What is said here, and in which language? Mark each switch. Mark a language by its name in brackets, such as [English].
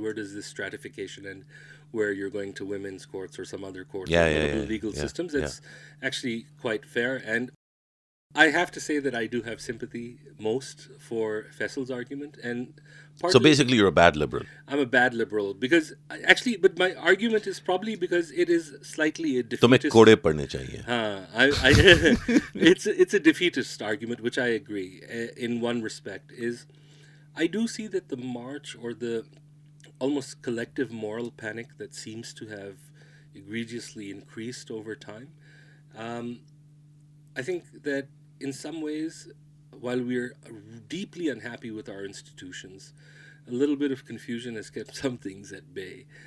[English] Where does this stratification end? Where you're going to women's courts or some other courts, legal systems. It's actually quite fair. And I have to say that I do have sympathy most for Faisal's argument. And so basically you're a bad liberal. I'm a bad liberal because but my argument is probably because it is slightly a defeatist. [Urdu] تمہیں کوڑے پڑنے چاہئیں۔ [English] it's a defeatist argument, which I agree in one respect, is I do see that the march or the almost collective moral panic that seems to have egregiously increased over time. I think that in some ways, while we're deeply unhappy with our institutions, a little bit of confusion has kept some things at bay.